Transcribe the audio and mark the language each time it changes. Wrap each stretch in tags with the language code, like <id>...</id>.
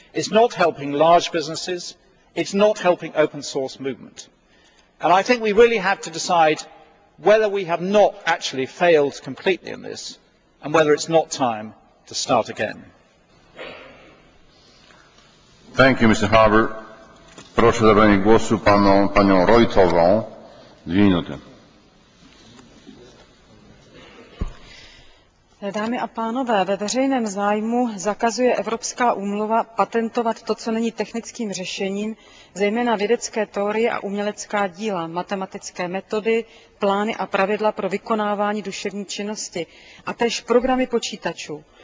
<en>It's not helping large businesses. It's not helping open source movement. And I think we really have to decide whether we have not actually failed completely in this and whether it's not time to start again. Thank you, Mr. Harbour.</en> <pl>Proszę zabranie głosu panią Reutową. 2 minuty.</pl> <cs>Dámy a pánové, ve veřejném zájmu zakazuje Evropská úmluva patentovat to, co není technickým řešením, zejména vědecké teorie a umělecká díla, matematické metody, plány a pravidla pro vykonávání duševní činnosti a též programy počítačů.</cs>